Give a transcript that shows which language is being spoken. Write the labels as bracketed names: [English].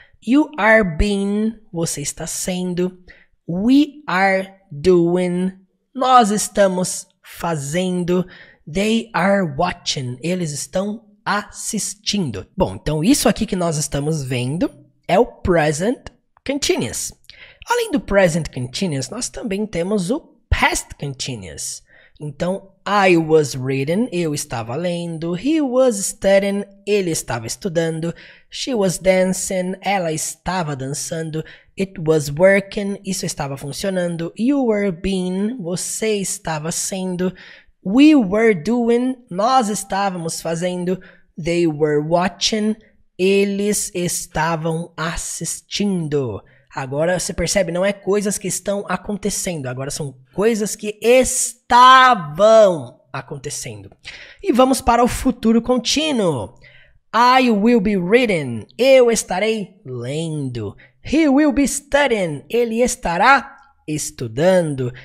[English] You are being, [Portuguese] você está sendo, [English] we are doing, [Portuguese] nós estamos fazendo, [English] they are watching, [Portuguese] eles estão assistindo. Bom, então isso aqui que nós estamos vendo é o present continuous. Além do present continuous, nós também temos o past continuous. Então, [English] I was reading, [Portuguese] eu estava lendo, [English] he was studying, [Portuguese] ele estava estudando, [English] she was dancing, [Portuguese] ela estava dançando, [English] it was working, [Portuguese] isso estava funcionando, [English] you were being, [Portuguese] você estava sendo, [English] we were doing, [Portuguese] nós estávamos fazendo, [English] they were watching, [Portuguese] eles estavam assistindo. Agora você percebe, não é coisas que estão acontecendo, agora são coisas que estavam acontecendo. E vamos para o futuro contínuo. [English] I will be reading, [Portuguese] eu estarei lendo. [English] He will be studying, [Portuguese] ele estará estudando.